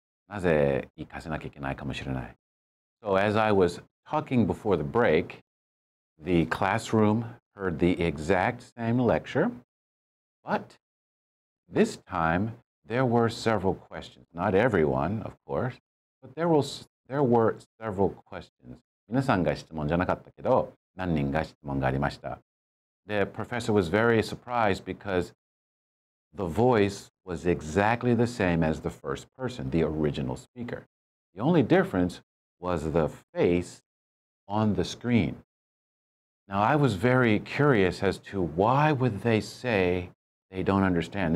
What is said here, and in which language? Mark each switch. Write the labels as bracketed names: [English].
[English] So as I was talking before the break, the classroom heard the exact same lecture, but this time there were several questions. Not everyone, of course, but there were several questions. [Japanese] 皆さんが質問じゃなかったけど、何人が質問がありました。 [English] The professor was very surprised because the voice was exactly the same as the first person, the original speaker. The only difference was the face on the screen. Now, I was very curious as to why would they say they don't understand.